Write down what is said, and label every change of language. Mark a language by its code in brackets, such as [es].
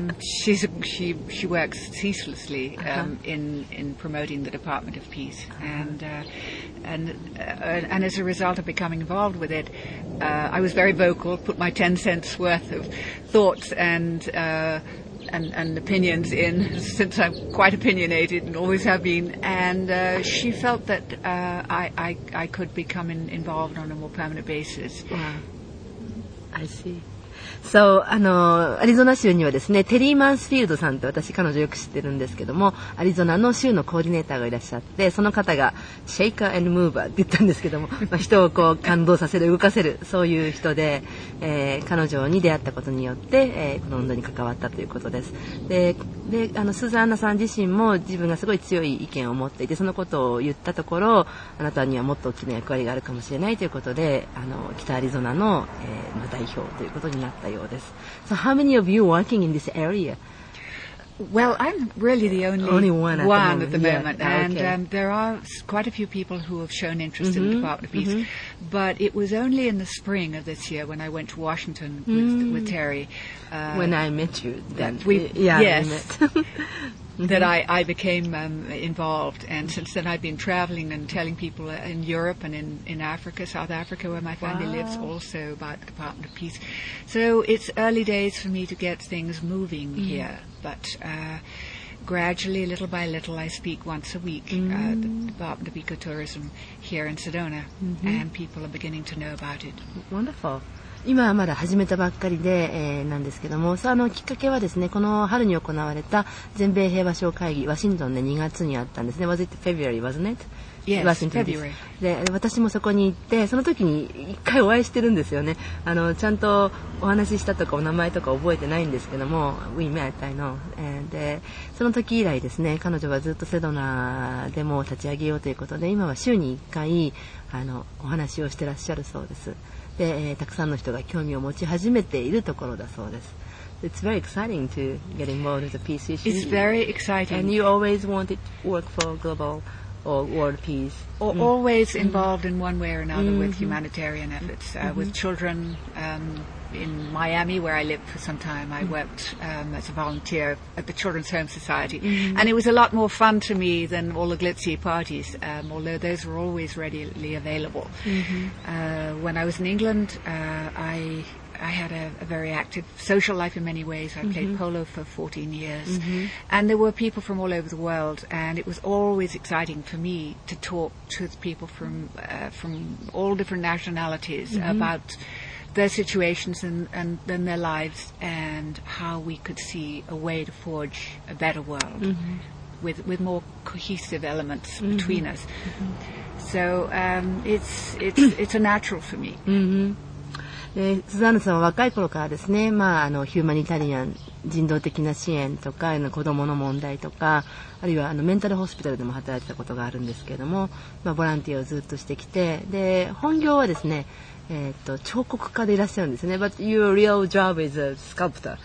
[en] She works ceaselessly in promoting the Department of Peace, and as a result of becoming involved with it, I was very vocal, put my 10 cents worth of thoughts and opinions in, since I'm quite opinionated and always have been, and she felt that I could become involved on a more permanent basis. Wow. I see. So, [ja] アリゾナ州にはですね、テリー・マンスフィールドさんって私彼女よく知ってるんですけども、アリゾナの州のコーディネーターがいらっしゃって、その方がシェイカー&ムーバーって言ったんですけども、まあ、人をこう感動させる、動かせる、そういう人で、彼女に出会ったことによって、この運動に関わったということです。で、スザンナさん自身も自分がすごい強い意見を持っていて、そのことを言ったところ、あなたにはもっと大きな役割があるかもしれないということで、北アリゾナの、代表ということになったようです。 [en] So how many of you working in this area? Well, I'm really the only one at the moment. Yeah. And okay. There are quite a few people who have shown interest in the Department of Peace. But it was only in the spring of this year when I went to Washington with Terry. When I met you then. that I became involved. And since then I've been traveling and telling people in Europe and in Africa, South Africa, where my family lives also, about the Department of Peace. So it's early days for me to get things moving here. But gradually, little by little, I speak once a week at the Department of Ecotourism here in Sedona. And people are beginning to know about it. Wonderful. [ja] 今はまだ始めたばっかりで、なんですけども、そのきっかけはですね、この春に行われた全米平和賞会議、ワシントンで2月にあったんですね。 [en] Was it February, wasn't it? Yes, [ja] ワシントンで、私もそこに行って、その時に一回お会いしてるんですよね。ちゃんとお話ししたとかお名前とか覚えてないんですけども、 [en] We met, I know、 [ja] で、その時以来ですね、彼女はずっとセドナでも立ち上げようということで、今は週に1回お話をしてらっしゃるそうです。で、たくさんの人が興味を持ち始めているところだそうです。 [en] It's very exciting to get involved with the peace issue. It's very exciting. And you always wanted to work for global or world peace. Or always involved in one way or another with humanitarian efforts. With children in Miami, where I lived for some time, I worked as a volunteer at the Children's Home Society. And it was a lot more fun to me than all the glitzy parties, although those were always readily available. When I was in England, I had a very active social life in many ways. I played polo for 14 years. And there were people from all over the world. And it was always exciting for me to talk to people from all different nationalities about their situations and their lives and how we could see a way to forge a better world with more cohesive elements between us. So it's a natural for me. [ja] でスザンヌさんは若い頃からですね、まあ、あのヒューマニタリアン人道的な支援とか子どもの問題とかあるいはあのメンタルホスピタルでも働いてたことがあるんですけれども、まあ、ボランティアをずっとしてきてで本業はですね、彫刻家でいらっしゃるんですね [en] But your real job is a sculptor